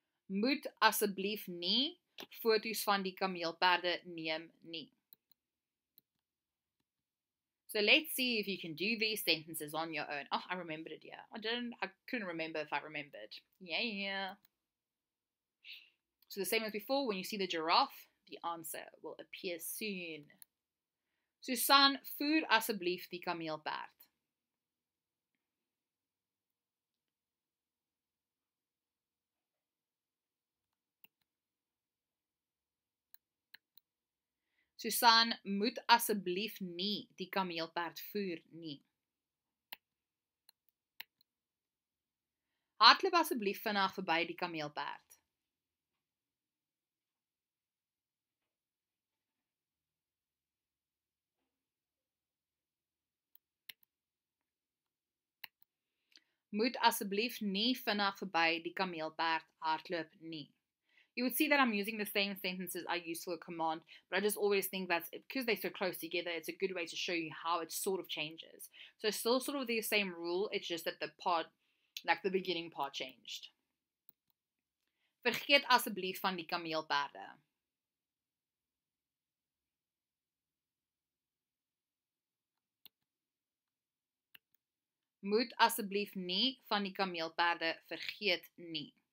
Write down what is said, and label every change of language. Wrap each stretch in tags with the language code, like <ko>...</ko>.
<af>Moet asseblief nie foto's van die kameelpaarde neem nie.</af> <en>So let's see if you can do these sentences on your own. Oh, I remembered it, yeah. I couldn't remember if I remembered. Yeah. So the same as before, when you see the giraffe, the answer will appear soon.</en> <af>Susan, voer asseblief die kameelpaard. Susan, moet asseblief nie die kameelpaard voer nie. Hardloop asseblief vanaand verby die kameelpaard. Moet asseblief nie vanaand verby die kameelpaard hardloop nie.</af> <en>You would see that I'm using the same sentences I use for a command, but I just always think that because they're so close together, it's a good way to show you how it sort of changes. So it's still sort of the same rule, it's just that the part, like the beginning part changed.</en> <af>Vergeet asseblief van die kameelpaarde. Moet asseblief nie van die kameelpaarde vergeet nie.</af>